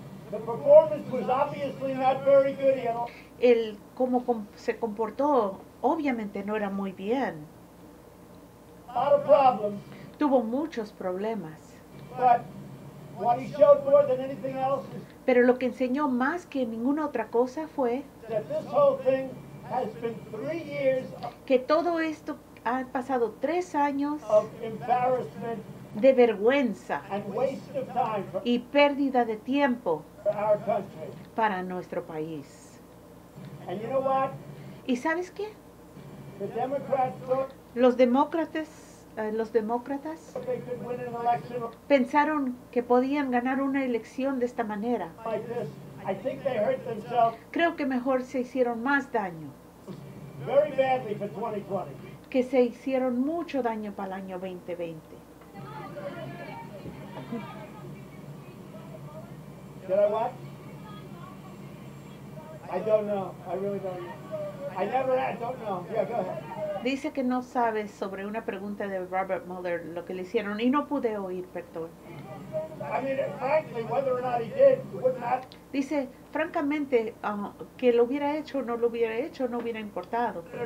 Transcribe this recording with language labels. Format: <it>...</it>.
<en>The performance was obviously not very good, you know.</en> <es>El cómo se comportó, obviamente no era muy bien.</es> <en>A lot of problems.</en> <es>Tuvo muchos problemas.</es> <en>But what he showed more than anything else is,</en> <es>pero lo que enseñó más que ninguna otra cosa fue</es> <en>that this whole thing has been 3 years of,</en> <es>que todo esto ha pasado 3 años</es> <en>of embarrassment</en> <es>de vergüenza</es> <en>and waste of time</en> <es>y pérdida de tiempo</es> <en>for our country</en> <es>para nuestro país.</es> <en>And you know what?</en> <es>¿Y sabes qué?</es> <en>The Democrats look,</en> <es>los demócratas</es> <en>they could win an election,</en> <es>pensaron que podían ganar una elección de esta manera.</es> <en>Like this. I think they hurt themselves.</en> <es>Creo que mejor se hicieron más daño.</es> <en>Very badly for 2020.</en> <es>Que se hicieron mucho daño para el año 2020.</es> <en>Did I watch? I don't know. I really don't know. I never had, don't know. Yeah, go ahead.</en> <es>Dice que no sabe sobre una pregunta de Robert Mueller lo que le hicieron y no pude oír, perdón.</es> <en>I mean, frankly, whether or not he did, would not.</en> <es>Dice, francamente, que lo hubiera hecho o no lo hubiera hecho, no hubiera importado.</es>